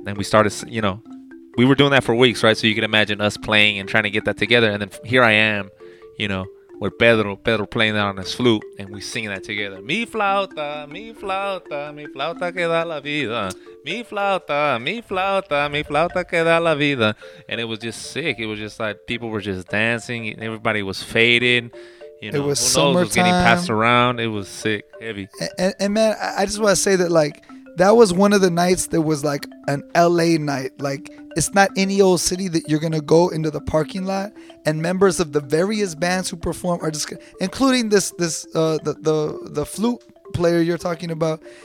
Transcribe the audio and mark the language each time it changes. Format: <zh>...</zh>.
<en>And we started, you know, we were doing that for weeks, right? So you can imagine us playing and trying to get that together. And then here I am, you know, with Pedro playing that on his flute, and we singing that together.</en> <es>Mi flauta, mi flauta que da la vida. Mi flauta, mi flauta, mi flauta que da la vida.</es> <en>And it was just sick. It was just like people were just dancing. Everybody was faded. You know, it was summertime. Who knows? It was getting passed around. It was sick, heavy. And man, I just want to say that, like, that was one of the nights that was like an LA night. Like, it's not any old city that you're going to go into the parking lot and members of the various bands who perform are just, including the flute player you're talking about.</en>